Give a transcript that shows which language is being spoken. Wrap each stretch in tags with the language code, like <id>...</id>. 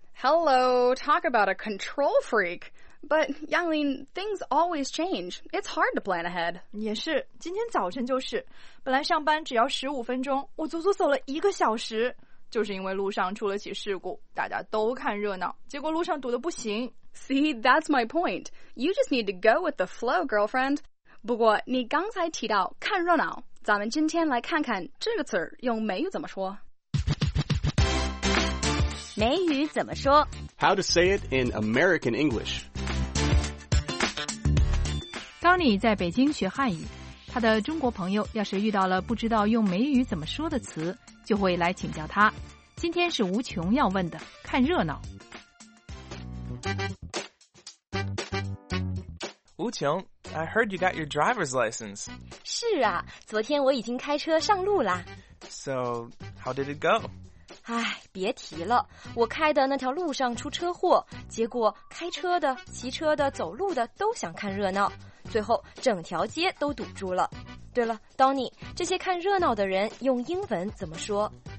<en>Hello, talk about a control freak. But, Yanglin, things always change. It's hard to plan ahead.</en> <zh>也是，今天早晨就是，本来上班只要15分钟，我足足走了一个小时，就是因为路上出了起事故，大家都看热闹，结果路上堵得不行。</zh> <en>See, that's my point. You just need to go with the flow, girlfriend.</en> <zh>不过，你刚才提到看热闹，咱们今天来看看这个词儿用美语怎么说。美语怎么说？</zh> <en>How to say it in American English.</en> <zh>当你在北京学汉语，他的中国朋友要是遇到了不知道用美语怎么说的词，就会来请教他。今天是无穷要问的，看热闹。</zh> <en>无穷 ，I heard you got your driver's license.</en> <zh>是啊，昨天我已经开车上路啦。</zh> <en>So, how did it go?</en> <zh>哎，别提了，我开的那条路上出车祸，结果开车的、骑车的、走路的都想看热闹。最后整条街都堵住了。对了 ，Donny， 这些看热闹的人用英文怎么说？</zh>